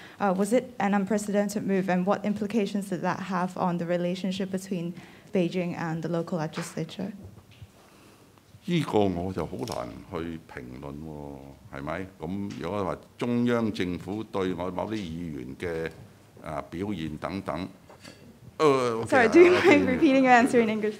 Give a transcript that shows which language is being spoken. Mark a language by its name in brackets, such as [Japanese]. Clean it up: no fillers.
[English] Was it an unprecedented move, and what implications did that have on the relationship between Beijing and the local legislature? [Cantonese] 依個我就好難去評論喎，係咪？咁如果話中央政府對我某啲議員嘅表現等等， [English] Sorry, do you mind repeating your answer in English?